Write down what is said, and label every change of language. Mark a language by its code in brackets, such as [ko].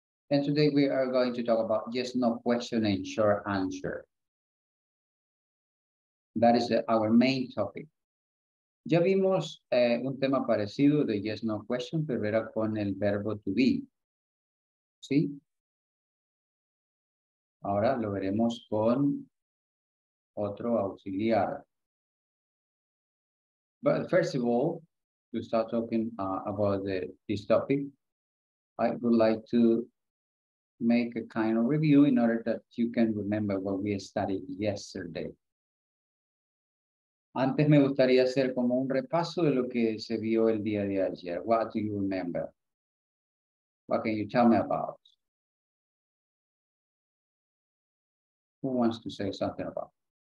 [en] And today we are going to talk about yes, no question and short answer. That is our main topic. [es] Ya vimos un tema parecido de yes, no question, pero era con el verbo to be. ¿Sí? Ahora lo veremos con otro auxiliar. [en] But first of all, to start talking about this topic, I would like to make a kind of review in order that you can remember what we studied yesterday. [es] Antes me gustaría hacer como un repaso de lo que se vio el día de ayer. [en] What do you remember? What can you tell me about? Who wants to say something about?